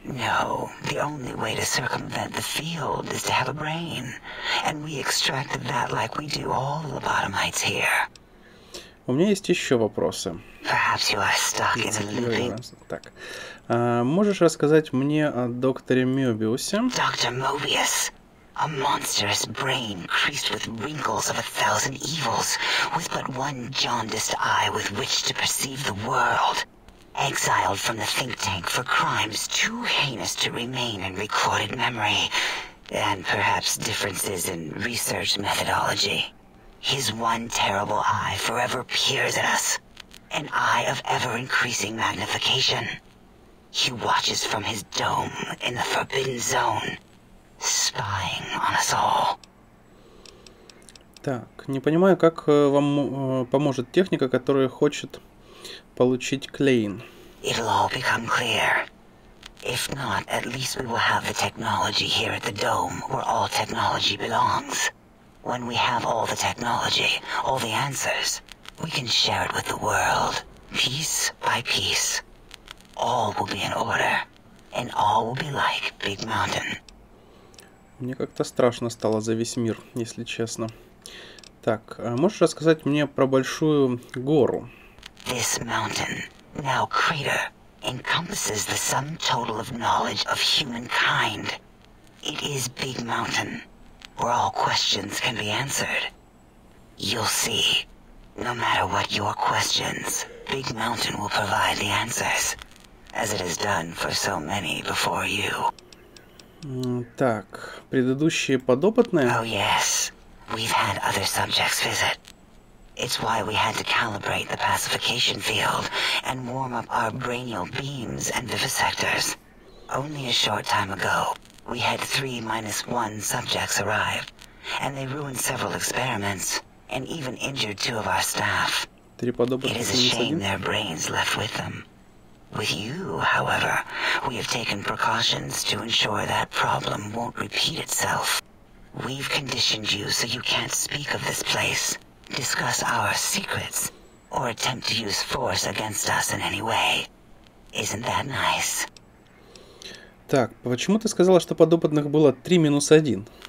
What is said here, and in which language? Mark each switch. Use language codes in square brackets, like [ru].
[en] No, the only way to circumvent the field is to have a brain. And we extracted that like we do all the lobotomites here. [ru] У меня есть еще вопросы. [en] Perhaps you are stuck in a looping. [ru] Так. Можешь рассказать мне о докторе Мёбиусе? [en] Dr. Mobius. A monstrous brain creased with wrinkles of a thousand evils, with but one jaundiced eye with which to perceive the world. Exiled from the think tank for crimes too heinous to remain in recorded memory, and perhaps differences in research methodology. His one terrible eye forever peers at us, an eye of ever-increasing magnification. He watches from his dome in the forbidden zone, spying on us all. [ru] Так, не понимаю, как вам поможет техника, которая хочет получить Клейн. [en] It'll all become clear. If not, at least we will have the technology here at the dome, where all technology belongs. When we have all the technology, all the answers, we can share it with the world, piece by piece. All will be in order, and all will be like Big Mountain. [ru] Мне как-то страшно стало за весь мир, если честно. Так, можешь рассказать мне про большую гору? [en] This mountain, now crater, encompasses the sum total of knowledge of humankind. It is Big Mountain, where all questions can be answered. You'll see, no matter what your questions, Big Mountain will provide the answers, as it has done for so many before you. [ru] Так, предыдущие подопытные? [en] Oh yes, we've had other subjects visit. It's why we had to calibrate the pacification field and warm up our brainial beams and vivisectors. Only a short time ago, we had 3-1 subjects arrive, and they ruined several experiments and even injured two of our staff. It is a shame their brains left with them. With you, however, we have taken precautions to ensure that problem won't repeat itself. We've conditioned you so you can't speak of this place, discuss our secrets, or attempt to use force against us in any way. Isn't that nice? [ru] Так, почему ты сказала, что подопытных было 3-1?